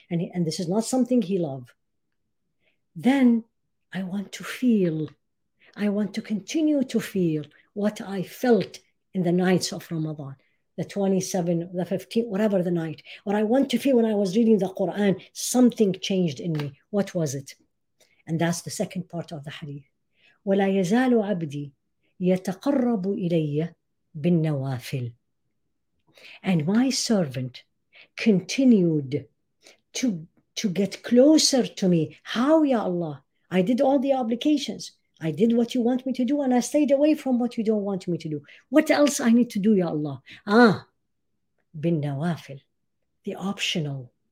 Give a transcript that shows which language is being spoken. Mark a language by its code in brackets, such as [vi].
[en] And this is not something he loves. Then I want to feel. I want to continue to feel what I felt in the nights of Ramadan. The 27, the 15, whatever the night. What I want to feel when I was reading the Quran. Something changed in me. What was it? And that's the second part of the hadith. [ar] ولا يزال عبدي يتقرب إلي بالنوافل. [en] And my servant continued to get closer to me. How, Ya Allah? I did all the obligations. I did what you want me to do and I stayed away from what you don't want me to do. What else I need to do, Ya Allah? Ah, bin nawafil, the optional.